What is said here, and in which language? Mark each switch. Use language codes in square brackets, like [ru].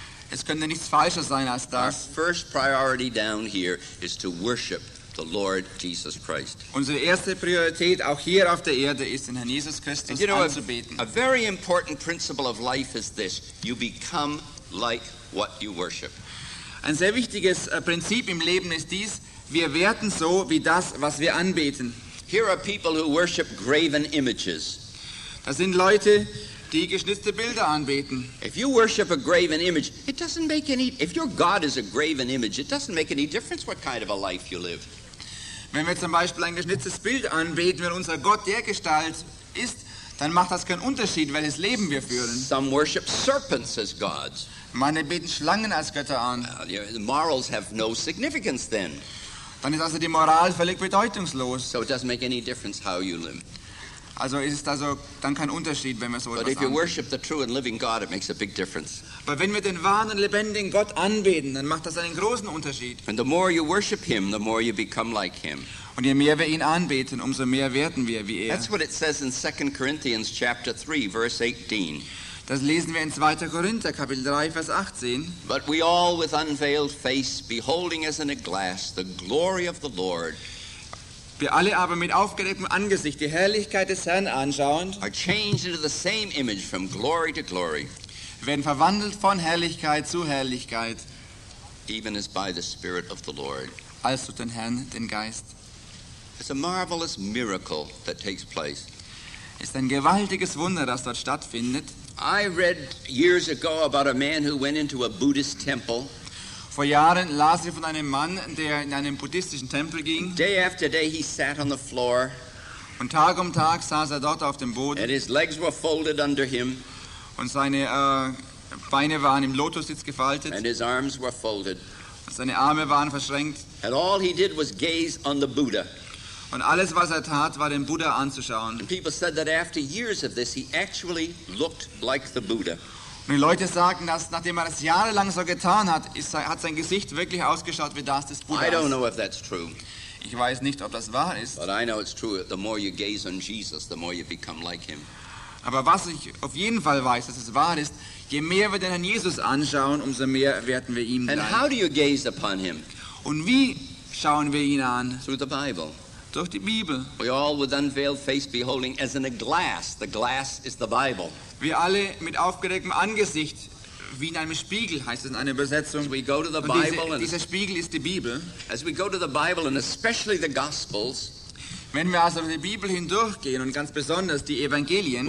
[de] Es könnte nichts falscher sein als das. [en] Our first priority down here is to worship the Lord Jesus Christ. [de] Unsere erste Priorität auch hier auf der Erde ist, den Herrn Jesus Christus anzubeten. [en] A very important principle of life is this: you become like what you worship. [de] Ein sehr wichtiges Prinzip im Leben ist dies: wir werden so wie das, was wir anbeten. [en] Here are people who worship graven images. [de] Das sind Leute, die geschnitzte Bilder anbeten. [en] If you worship a graven image, it doesn't make any. If your God is a graven image, it doesn't make any difference what kind of a life you live. [de] Wenn wir zum Beispiel ein geschnitztes Bild anbeten, wenn unser Gott dergestalt ist, dann macht das keinen Unterschied, welches Leben wir führen. [en] Some worship serpents as gods. [de] Manche beten Schlangen als Götter an. [en] The morals have no significance then. [de] Dann ist also die Moral völlig bedeutungslos. [en] So it doesn't make any difference how you live. [de] Also ist es also dann kein Unterschied, wenn wir so etwas anbeten. [en] But if you worship the true and living God, it makes a big difference. [de] Aber wenn wir den wahren und lebendigen Gott anbeten, dann macht das einen großen Unterschied. [en] And the more you worship him, the more you become like him. [de] Und je mehr wir ihn anbeten, umso mehr werden wir wie er. [en] That's what it says in 2 Corinthians chapter 3, verse 18. [de] Das lesen wir in 2. Korinther, Kapitel 3, Vers 18. [en] But we all with unveiled face, beholding as in a glass the glory of the Lord. [de] Wir alle aber mit aufgerecktem Angesicht die Herrlichkeit des Herrn anschauend, [en] are changed into the same image from glory to glory. [de] Werden verwandelt von Herrlichkeit zu Herrlichkeit. [en] Even as by the Spirit of the Lord. [de] Als durch den Herrn, den Geist. [en] It's a marvelous miracle that takes place. [de] Es ist ein gewaltiges Wunder, das dort stattfindet. [en] I read years ago about a man who went into a Buddhist temple. [de] Vor Jahren las ich von einem Mann, der in einen buddhistischen Tempel ging. [en] Day after day he sat on the floor. [de] Und Tag um Tag saß er dort auf dem Boden. [en] And his legs were folded under him. [de] Und seine Beine waren im Lotussitz gefaltet. [en] And his arms were folded. [de] Und seine Arme waren verschränkt. [en] And all he did was gaze on the Buddha. [de] Und alles, was er tat, war den Buddha anzuschauen. [en] And people said that after years of this, he actually looked like the Buddha. [de] Und die Leute sagen, dass nachdem er das jahrelang so getan hat, hat sein Gesicht wirklich ausgeschaut wie das des Buddhas. [en] I don't know if that's true. [de] Ich weiß nicht, ob das wahr ist. [en] But I know it's true. The more you gaze on Jesus, the more you become like him. [de] Aber was ich auf jeden Fall weiß, dass es wahr ist: je mehr wir den Herrn Jesus anschauen, umso mehr werden wir ihm gleich. [en] And how do you gaze upon him? [de] Und wie schauen wir ihn an? [en] Through the Bible. [de] Durch die Bibel. [en] We all with unveiled face beholding as in a glass. The glass is the Bible. [de] Wir alle mit aufgerecktem Angesicht, wie in einem Spiegel, heißt es in einer Übersetzung. [en] As we go to the Bible, [de] und dieser Spiegel ist die Bibel. [en] As we go to the Bible and especially the Gospels, [de] wenn wir also die Bibel hindurchgehen und ganz besonders die Evangelien,